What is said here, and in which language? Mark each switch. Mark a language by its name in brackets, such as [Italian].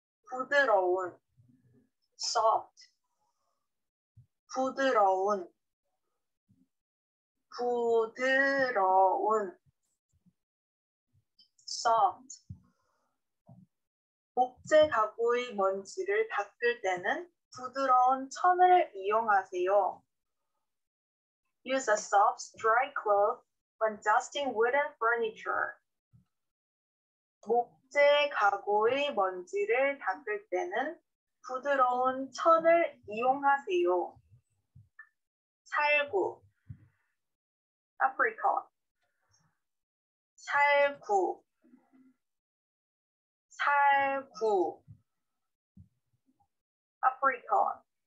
[Korean] 부드러운, soft, 부드러운, 부드러운, soft. 목재 가구의 먼지를 닦을 때는 부드러운 천을 이용하세요. [English] Use a soft, dry cloth when dusting wooden furniture. [Korean] 목재 가구의 먼지를 닦을 때는 부드러운 천을 이용하세요. 살구, apricot. 살구, 살구, apricot.